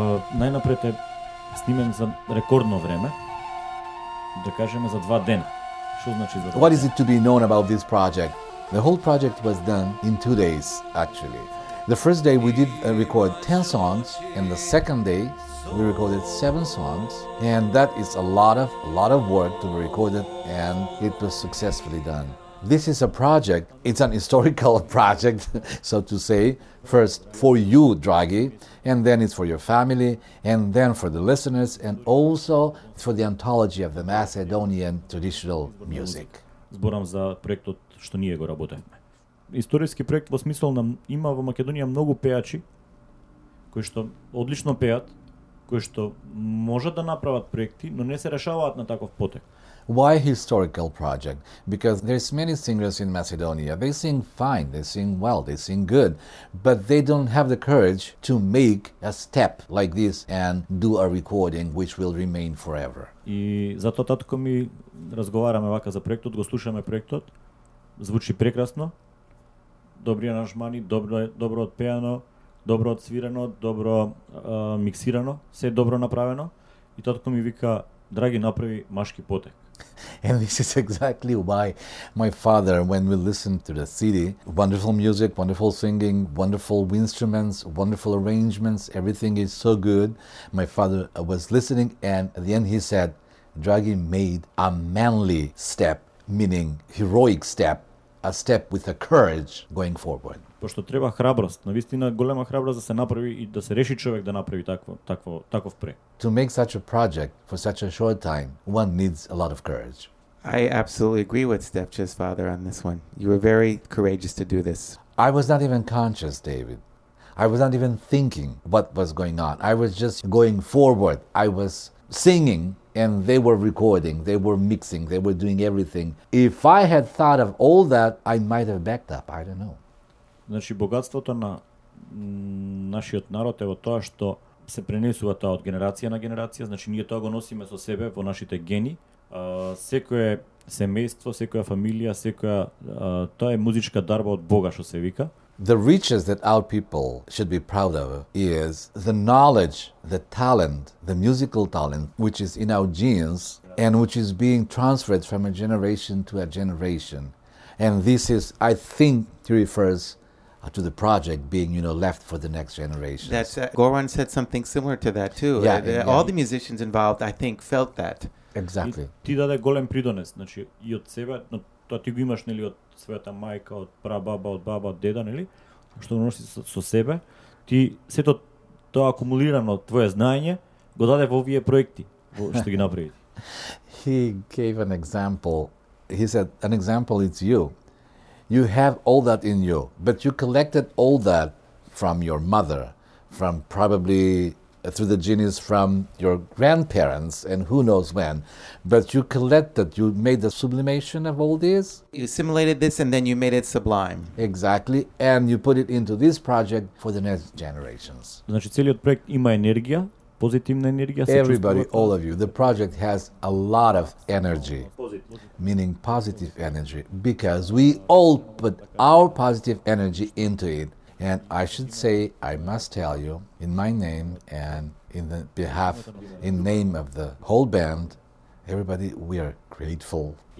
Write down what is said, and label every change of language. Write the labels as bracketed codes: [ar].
[sr] Najnapred je snimen za rekordno vreme, da kažemo za dva dana. Što znači za dva dana? [en] What is it to be known about this project? The whole project was done in 2 days, actually. The first day we did record 10 songs, and the second day we recorded 7 songs, and that is a lot of work to be recorded, and it was successfully done. This is a project, it's an historical project, so to say, first for you, Draghi, and then it's for your family, and then for the listeners, and also for the anthology of the Macedonian traditional music. [mk] Зборам за проектот што ние го работевме. Историски проект во смисол нам има во Македонија многу пејачи кои што одлично пеат, кои што можат да направат проекти, но не се решаваат на таков потек. [en] Why historical project? Because there's many singers in Macedonia. They sing fine, they sing well, they sing good, but they don't have the courage to make a step like this and do a recording which will remain forever. [mk] И затоа татко ми разговараме вака за проектот, го слушаме проектот. Звучи прекрасно. Добри аранжмани, добро отпеано, добро отсвирено, добро миксирано, се добро направено. И татко ми вика: "Драги, направи машки потек." [en] And this is exactly why my father, when we listen to the CD, wonderful music, wonderful singing, wonderful instruments, wonderful arrangements, everything is so good. My father was listening, and at the end he said, Draghi made a manly step, meaning heroic step, a step with a courage going forward. [mk] Пошто треба храброст, навистина голема храброст да се направи и да се реши човек да направи таков проект. [en] To make such a project for such a short time, one needs a lot of courage. I absolutely agree with Stefče's father on this one. You were very courageous to do this. I was not even conscious, David. I was not even thinking what was going on. I was just going forward. I was singing. And they were recording, they were mixing, they were doing everything. If I had thought of all that, I might have backed up, I don't know. [mk] Значи, богатството на нашиот народ е во тоа што се пренесува тоа од генерација на генерација. Значи, ние тоа го носиме со себе во нашите гени. Секое семејство, секоја фамилија, секоја... тоа е музичка дарба од Бога, што се вика. [en] The riches that our people should be proud of is the knowledge, the talent, the musical talent, which is in our genes and which is being transferred from a generation to a generation. And this is, I think, he refers to the project being, you know, left for the next generation. That's Goran said something similar to that too. Yeah, all the musicians involved, I think, felt that. Exactly. [mk] Ти даде голем придонес, значи, и од себе, но тоа ти го имаш, нели, од својата мајка, од прабаба, од баба, од деда, нели, што носи со себе, ти сето тоа акумулирано твое знаење го даде во овие проекти што ги направи. [en] He gave an example. He said, an example is you. You have all that in you, but you collected all that from your mother, from probably through the genes from your grandparents and who knows when, but you collected, you made the sublimation of all this. You assimilated this and then you made it sublime. Exactly, and you put it into this project for the next generations. [mk] Значи, целиот проект има енергија, позитивна енергија. [en] Everybody, all of you, the project has a lot of energy, meaning positive energy, because we all put our positive energy into it. And I should say, I must tell you, in my name and in name of the whole band, everybody, we are grateful.